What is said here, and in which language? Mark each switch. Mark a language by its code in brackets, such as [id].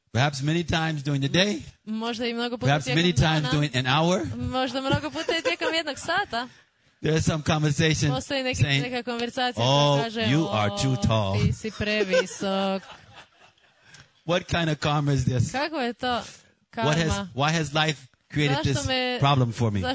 [en] Perhaps many times during the day. [hr] Možda i mnogo puta [en] perhaps many times during an hour. [hr] Možda mnogo puta i tijekom jednog sata. [en] There's some conversation saying, oh, you are too tall. [hr] Ti si previsok. [en] What kind of karma is this? [hr] Kako je to karma? [en] What has, why has life created this problem for me?